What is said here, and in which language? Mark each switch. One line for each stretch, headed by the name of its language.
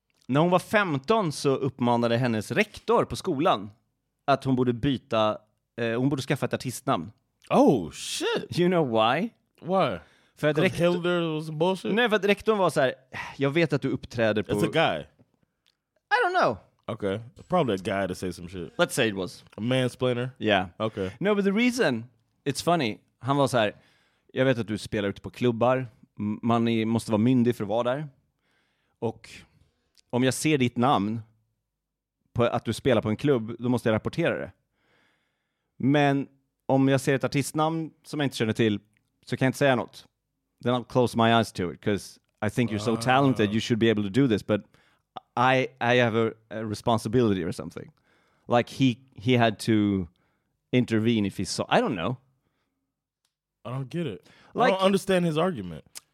Swedish: När hon var 15 så uppmanade hennes rektor på skolan att hon borde byta, hon borde skaffa ett artistnamn.
English: Oh shit. You know why? Why?
Swedish: För att
English: Hilder was bullshit.
Swedish: Nej, för att rektorn var så här, jag vet att du uppträder på.
English: It's a guy. I don't know. Okay. Probably a guy to say some shit. Let's say it was. A mansplainer? Yeah. Okay. No, but the reason, it's funny.
Swedish: Han var så här, jag vet att du spelar ute på klubbar. Man måste vara myndig för att vara där. Och om jag ser ditt namn på att du spelar på en klubb, då måste jag rapportera det. Men om jag ser ett artistnamn som jag inte känner till, så kan jag inte säga något.
English: Then I'll close my eyes to it, because I think you're so talented, you should be able to do this, but I have a responsibility or something. Like he had to intervene if he saw. I don't know. I don't get it. Like, I don't understand his argument.